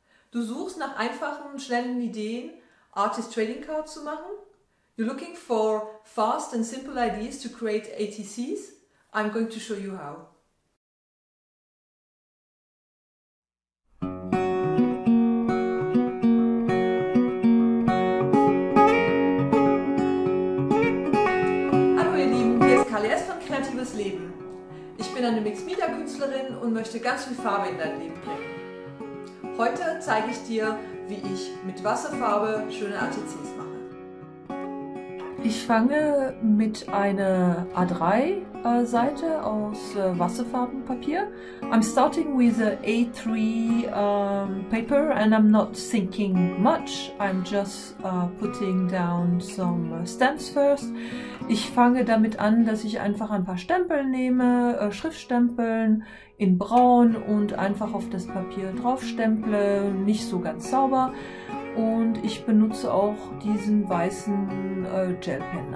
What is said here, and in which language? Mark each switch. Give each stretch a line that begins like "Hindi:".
German: Du suchst nach einfachen, schnellen Ideen, Artist Trading Cards zu machen.
English: You're looking for fast and simple ideas to create ATCs. I'm going to show you how.
German: Hallo ihr Lieben, hier ist KLS von Kreatives Leben. Ich bin eine Mixed-Media-Künstlerin und möchte ganz viel Farbe in dein Leben bringen. Heute zeige ich dir, wie ich mit Wasserfarbe schöne ATCs mache. Ich fange mit einer A3-Seite aus Wasserfarbenpapier.
English: I'm starting with an A3 paper and I'm not thinking much. I'm just putting down some stamps first.
German: Ich fange damit an, dass ich einfach ein paar Stempel nehme, Schriftstempeln in Braun und einfach auf das Papier draufstemple, nicht so ganz sauber. Und ich benutze auch diesen weißen Gel Pen.